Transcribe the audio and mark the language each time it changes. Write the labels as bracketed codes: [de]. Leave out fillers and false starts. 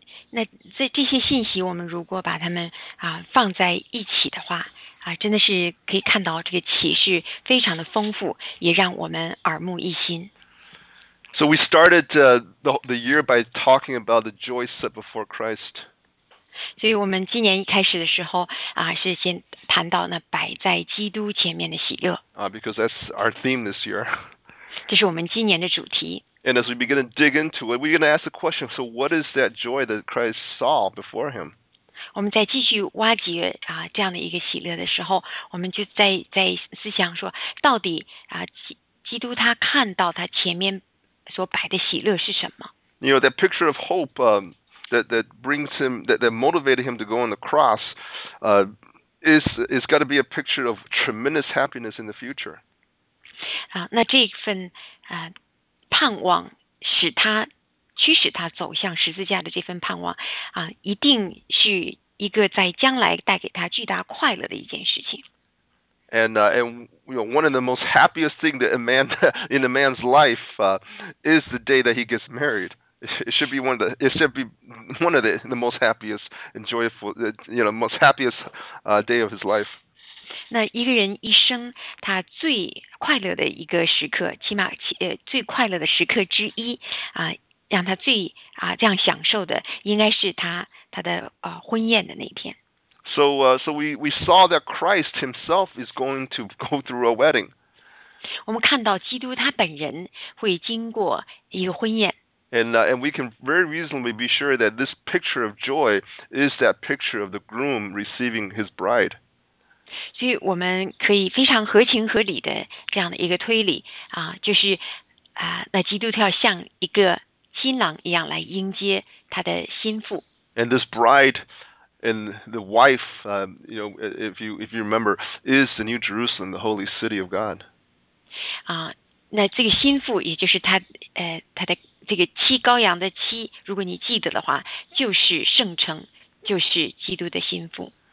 [zh] 那这些信息我们如果把它们放在一起的话真的是可以看到这个启示非常的丰富，也让我们耳目一新。 [en] So we started the year by talking about the joy set before Christ. [zh] 所以我们今年一开始的时候是先谈到那摆在基督前面的喜乐。 [en] Because that's our theme this year. [zh] 这是我们今年的主题。 [en] And as we begin to dig into it, we're going to ask the question, so what is that joy that Christ saw before him? [zh] 我们在继续挖掘这样的一个喜乐的时候，我们就在思想说，到底基督他看到他前面所摆的喜乐是什么？ [en] You know, that picture of hope that brings him, that motivated him to go on the cross, is got to be a picture of tremendous happiness in the future. [zh] 那这份盼盼望使他驱使他走向十字架的这份盼望啊，一定是一个在将来带给他巨大快乐的一件事情。 [en] And you know, one of the most happiest things that a man in a man's life is the day that he gets married. It should be one of the most happiest and joyful, you know, most happiest day of his life. [zh] 那一个人一生他最快乐的一个时刻，起码最快乐的时刻之一啊，让他最啊这样享受的，应该是他的婚宴的那一天。 [en] So we saw that Christ himself is going to go through a wedding. [zh] 我们看到基督他本人会经过一个婚宴。 [en] And we can very reasonably be sure that this picture of joy is that picture of the groom receiving his bride. [zh] 所以我们可以非常合情合理的这样的一个推理啊，就是啊，那基督他要像一个新郎一样来迎接他的新妇。 [en] And this bride. And the wife, you know, if you remember, is the New Jerusalem, the holy city of God. [zh] 啊，那这个新妇，也就是他，他的这个妻，羔羊的妻，如果你记得的话，就是圣城，就是基督的新妇。